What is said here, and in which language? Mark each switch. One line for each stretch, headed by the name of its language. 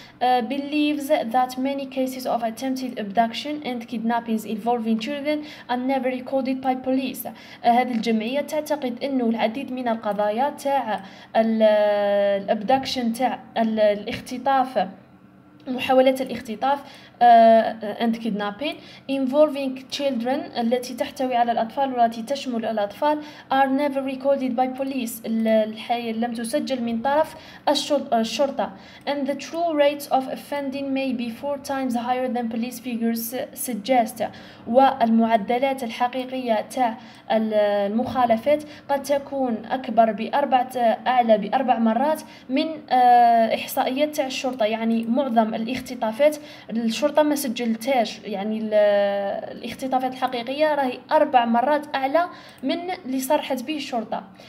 English: Believes that many cases of attempted abduction and kidnappings involving children are never recorded by police.
Arabic: هذه الجمعية تعتقد أنه العديد من القضايا تاع الابدكشن تاع الاختطاف، محاولات الاختطاف
English: and kidnapping involving children
Arabic: التي تحتوي على الأطفال والتي تشمل الأطفال
English: are never recorded by police،
Arabic: الحي لم تسجل من طرف الشرطة.
English: And the true rates of offending may be four times higher than police figures suggest.
Arabic: والمعدلات الحقيقية تاع المخالفات قد تكون أكبر بأربعة أعلى بأربع مرات من إحصائيات تاع الشرطة، يعني معظم الاختطافات الشرطة ما سجلتاش، يعني الاختطافات الحقيقية راهي أربع مرات أعلى من اللي صرحت به الشرطة.